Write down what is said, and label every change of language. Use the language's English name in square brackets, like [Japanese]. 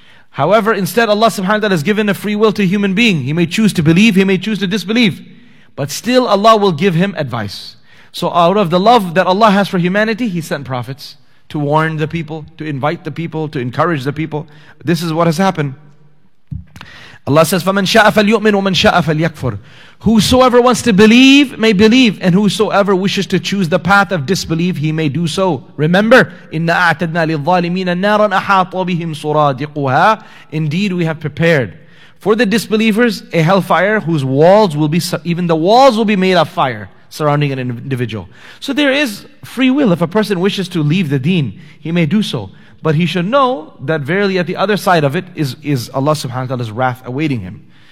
[English] However, instead Allah subhanahu wa ta'ala has given a free will to a human being. He may choose to believe, he may choose to disbelieve. But still Allah will give him advice. So out of the love that Allah has for humanity, he sent prophets to warn the people, to invite the people, to encourage the people. This is what has happened. [Arabic] Allah says, فَمَنْ شَاءَ فَلْيُؤْمِنْ وَمَنْ شَاءَ فَلْيَكْفُرْ. [English] Whosoever wants to believe, may believe. And whosoever wishes to choose the path of disbelief, he may do so. [Arabic] Remember, إِنَّا أَعْتَدْنَا لِلظَّالِمِينَ نَارًا أَحَاطَ بِهِمْ سُرَادِقُهَا. [English] Indeed, we have prepared for the disbelievers a hellfire whose walls will be, even the walls will be made of fire surrounding an individual. So there is free will. If a person wishes to leave the deen, he may do so. But he should know that verily at the other side of it is Allah subhanahu wa ta'ala's wrath awaiting him.